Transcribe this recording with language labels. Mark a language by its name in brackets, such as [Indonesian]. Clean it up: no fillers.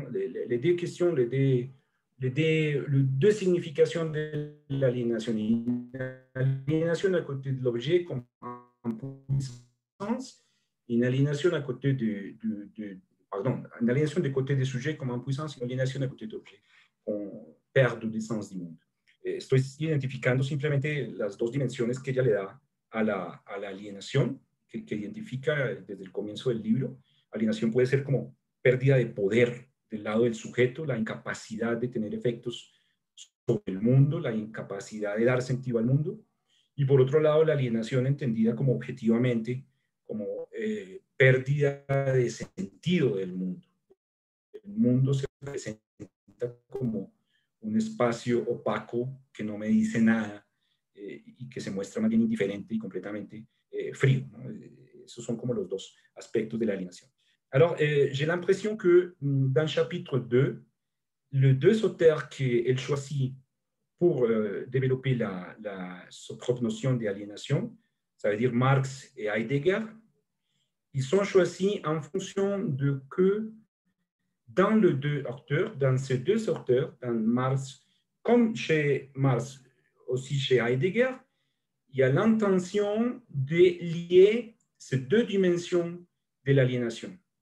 [French] Les deux questions, les deux significations de l'aliénation. L'aliénation à côté de l'objet comme impuissance, une aliénation à côté pardon, une aliénation du côté des sujets comme impuissance, une aliénation à côté d'objets, qu'on perd du sens du monde. [Spanish] Estoy identificando simplemente las dos dimensiones que ella le da a la alienación que identifica desde el comienzo del libro. Alienación puede ser como pérdida de poder del lado del sujeto, la incapacidad de tener efectos sobre el mundo, la incapacidad de dar sentido al mundo. Y por otro lado, la alienación entendida como objetivamente, como pérdida de sentido del mundo. El mundo se presenta está como un espacio opaco que no me dice nada y que se muestra más bien indiferente y completamente frío, ¿no? Esos son como los dos aspectos de la alienación. [French] Alors, j'ai l'impression que dans le chapitre 2, le deux auteurs qu'elle choisit pour développer sa propre notion d'aliénation, ça veut dire Marx et Heidegger, ils sont choisis en fonction de que dans le deux auteurs, dans ces deux auteurs, dans Marx, comme chez Marx, aussi chez Heidegger, il y a l'intention de lier ces deux dimensions de l'aliénation.